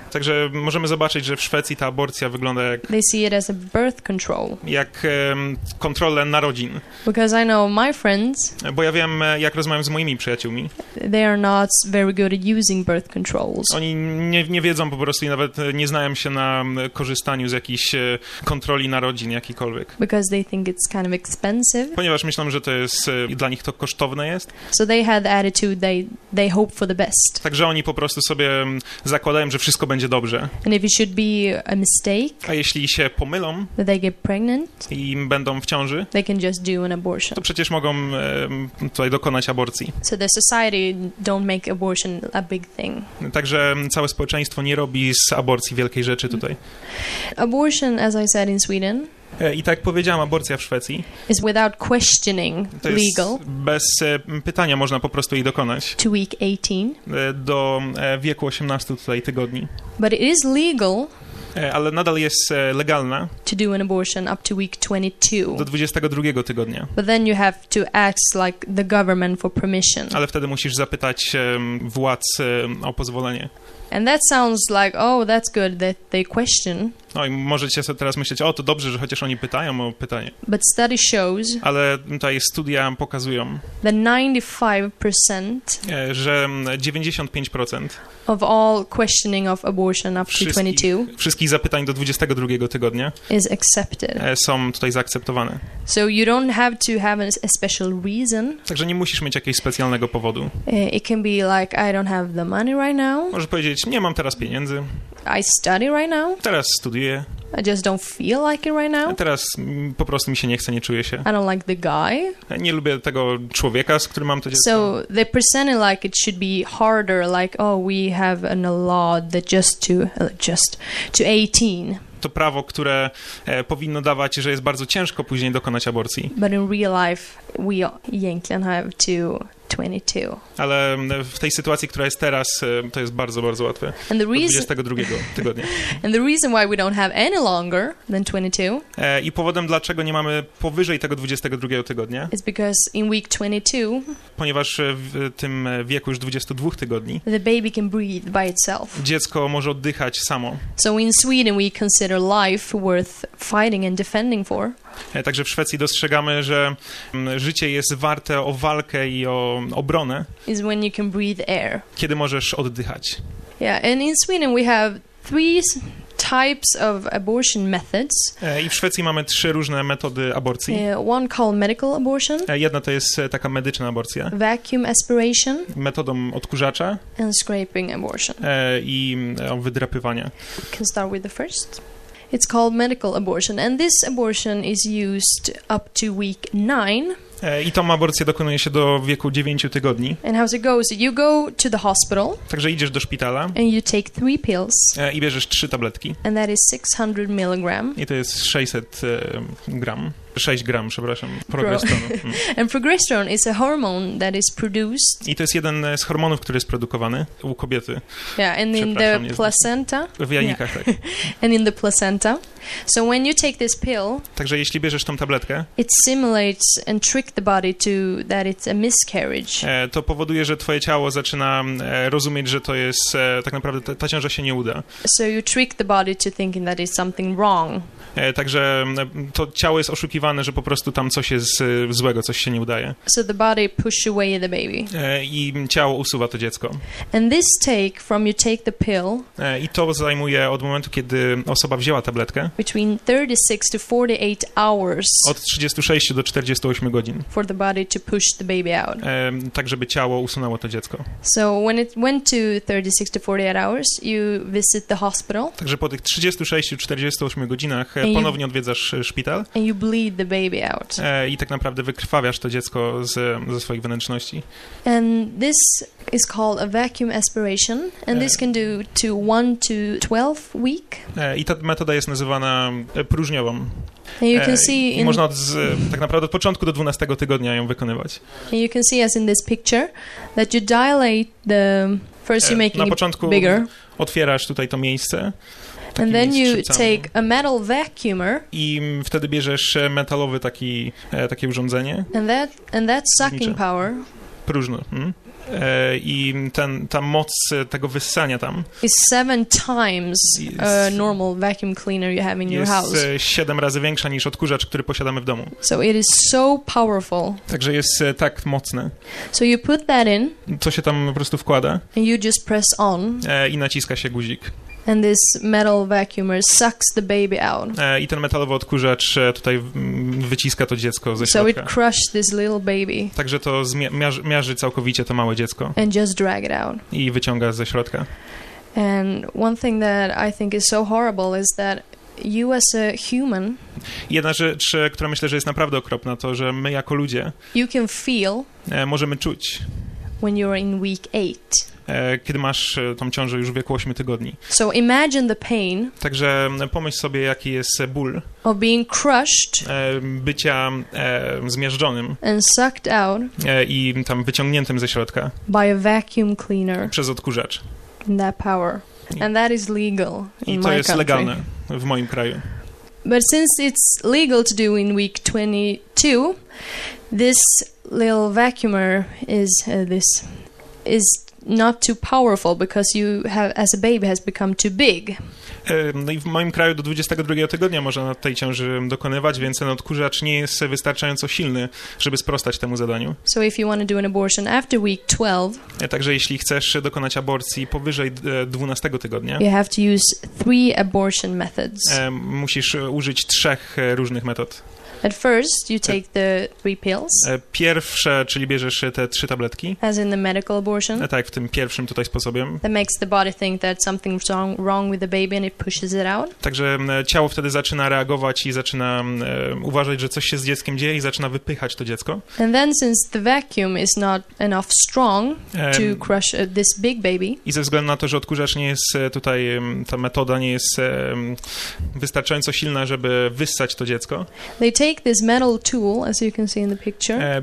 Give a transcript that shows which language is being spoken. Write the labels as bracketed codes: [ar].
[pl] Także możemy zobaczyć, że w Szwecji ta aborcja wygląda jak. [en] They see it as a birth control. [pl] Jak kontrolę narodzin. [en] Because I know my friends. [pl] Bo ja wiem, jak rozmawiam z moimi przyjaciółmi. [en] They are not very good at using birth controls. [pl] Oni nie wiedzą po prostu i nawet nie znają się na korzystaniu z jakiejś kontroli narodzin jakikolwiek. [en] Because they think it's kind of expensive. [pl] Ponieważ myślą, że to jest dla nich to kosztowne jest. [en] So they have the attitude they hope for the best. [pl] Także oni po prostu sobie zakładają, że wszystko będzie dobrze. [en] And if it should be a mistake. [pl] A jeśli się pomylą. [en] That they get pregnant. [pl] I będą w ciąży. [en] They can just do an abortion. [pl] To przecież mogą tutaj dokonać aborcji. [en] So the society don't make abortion a big thing. [pl] Także całe społeczeństwo nie robi z aborcji wielkiej rzeczy tutaj. [en] Abortion, as I said, in Sweden. [pl] I tak jak powiedziałam, aborcja w Szwecji [en] is without questioning legal. [pl] Bez pytania można po prostu jej dokonać. [en] To week 18. [pl] Do wieku 18 tutaj tygodni. [en] But it is legal. [pl] Ale nadal jest legalna. [en] To do an abortion up to week 22. [pl] Do 22 tygodnia. [en] But then you have to ask like the government for permission. [pl] Ale wtedy musisz zapytać władz o pozwolenie. [en] And that sounds like, oh, that's good that they question. [pl] No i możecie sobie teraz myśleć, o, to dobrze, że chociaż oni pytają o pytanie. [en] But study shows. [pl] Ale tutaj studia pokazują. [en] The 95%. [pl] Że 95%. [en] Of all questioning of abortion up to 22. [pl] Wszystkich zapytań do 22 tygodnia. [en] Is accepted. [pl] Są tutaj zaakceptowane. [en] So you don't have to have a special reason. [pl] Także nie musisz mieć jakiegoś specjalnego powodu. [en] It can be like I don't have the money right now. [pl] Możesz powiedzieć, nie mam teraz pieniędzy. [en] I study right now. [pl] Teraz studiuję. [en] I just don't feel like it right now. [pl] A teraz po prostu mi się nie chce, nie czuję się. [en] I don't like the guy. [pl] Nie lubię tego człowieka, z którym mam to dziecko. [en] So they present it like it should be harder, like oh, we have an law that just to 18. [pl] To prawo, które powinno dawać, że jest bardzo ciężko później dokonać aborcji. [en] But in real life, we Jankian have to 22. [pl] Ale w tej sytuacji, która jest teraz, to jest bardzo, bardzo łatwe. [en] And the reason, [pl] do 22 tygodnia. [en] And the reason why we don't have any longer than 22. [pl] I powodem, dlaczego nie mamy powyżej tego 22 tygodnia. [en] Is because in week 22. [pl] Ponieważ w tym wieku już 22 tygodni. [en] The baby can breathe by itself. [pl] Dziecko może oddychać samo. [en] So in Sweden we consider life worth fighting and defending for. [pl] Także w Szwecji dostrzegamy, że życie jest warte o walkę i o obronę. [en] Is when you can breathe air. [pl] Kiedy możesz oddychać. [en] Yeah, and in Sweden we have three types of abortion methods. [pl] I w Szwecji mamy trzy różne metody aborcji. [en] One called medical abortion. [pl] Jedna to jest taka medyczna aborcja. [en] Vacuum aspiration. [pl] Metodą odkurzacza. [en] And scraping abortion. [pl] I wydrapywania. [en] We can start with the first. It's called medical abortion, and this abortion is used up to week 9. [pl] I tą aborcję dokonuje się do wieku 9 tygodni. [en] And how it goes? You go to the hospital. [pl] Także idziesz do szpitala. [en] And you take 3 pills. [pl] I bierzesz 3 tabletki. [en] And that is 600 milligram. [pl] I to jest 600 gram. 6 gram, przepraszam, progesteronu. [en] And progesterone is a hormone that is produced. [pl] I to jest jeden z hormonów, który jest produkowany u kobiety. [en] Yeah, and in the placenta. [pl] W jajnikach, yeah. Tak. [en] And in the placenta. So when you take this pill. [pl] Także jeśli bierzesz tą tabletkę. [en] It simulates and trick the body to that it's a miscarriage. [pl] To powoduje, że twoje ciało zaczyna rozumieć, że to jest tak naprawdę ta ciąża się nie uda. [en] So you trick the body to thinking that it's something wrong. [pl] Także to ciało jest oszukiwane, że po prostu tam coś jest złego, coś się nie udaje. [en] So the body pushes away the baby. [pl] I ciało usuwa to dziecko. [en] And this take from you take the pill. [pl] I to zajmuje od momentu, kiedy osoba wzięła tabletkę. [en] Between 36 to 48 hours. [pl] Od 36 do 48 godzin. [en] For the body to push the baby out. [pl] Tak, żeby ciało usunęło to dziecko. [en] So when it went to 36 to 48 hours, you visit the hospital. [pl] Także po tych 36 czy 48 godzinach ponownie odwiedzasz szpital. [en] And you bleed feed the baby out. [pl] I tak naprawdę wykrwawiasz to dziecko ze swoich wnętrzności. [en] And this is called a vacuum aspiration, and this can do to 1 to 12 week. [pl] I ta metoda jest nazywana próżniową. [en] And you can see [pl] i można tak naprawdę od początku do 12 tygodnia ją wykonywać. [en] And you can see as in this picture that you dilate the first you make it [pl] początku [en] bigger. [pl] Otwierasz tutaj to miejsce. [en] And then you take a metal vacuumer. [pl] I wtedy bierzesz metalowy taki takie urządzenie. [en] And that sucking power. [pl] Próżno. I ta moc tego wyssania tam [en] is 7 times a normal vacuum cleaner you have in your house. [pl] Jest 7 razy większa niż odkurzacz, który posiadamy w domu. [en] So it is so powerful. [pl] Także jest tak mocne. [en] So you put that in. [pl] Co się tam po prostu wkłada? [en] And you just press on. [pl] I naciska się guzik. [en] And this metal vacuumer sucks the baby out. [pl] I ten metalowy odkurzacz tutaj wyciska to dziecko ze środka. [en] So it crushed this little baby. [pl] Także to miarzy całkowicie to małe dziecko. [en] And just drag it out. [pl] I wyciąga ze środka. [en] And one thing that I think is so horrible is that you as a human. [pl] Jedna rzecz, która myślę, że jest naprawdę okropna, to że my jako ludzie. [en] You can feel. [pl] Możemy czuć. [en] When you're in week 8. [pl] Kiedy masz tą ciążę już w wieku 8 tygodni. [en] So imagine the pain. [pl] Także pomyśl sobie, jaki jest ból. [en] Of being crushed. [pl] Bycia zmiażdżonym. [en] And sucked out. [pl] I tam wyciągniętym ze środka. [en] By a vacuum cleaner. [pl] Przez odkurzacz. [en] And that power. And that is legal in [pl] I to jest legalne w moim kraju. [en] But since it's legal to do in week 22, this little vacuumer is is not too powerful because you have as a baby has become too big. [pl] No i w moim kraju do 22 tygodnia można na tej ciąży dokonywać, więc ten odkurzacz nie jest wystarczająco silny, żeby sprostać temu zadaniu. [en] So if you want to do an abortion after week 12. [pl] Także jeśli chcesz dokonać aborcji powyżej 12 tygodnia. [en] You have to use 3 abortion methods. [pl] Musisz użyć 3 różnych metod. [en] At first you take the 3 pills. [pl] Pierwsze, czyli bierzesz te 3 tabletki. [en] As in the medical abortion. [pl] Tak, w tym pierwszym tutaj sposobie. [en] That makes the body think that something's wrong with the baby and it pushes it out. [pl] Także ciało wtedy zaczyna reagować i zaczyna uważać, że coś się z dzieckiem dzieje i zaczyna wypychać to dziecko. [en] And then since the vacuum is not enough strong to crush this big baby. [pl] I ze względu na to, że odkurzacz nie jest tutaj, ta metoda nie jest wystarczająco silna, żeby wyssać to dziecko. [en] Take this metal tool, as you can see in the picture.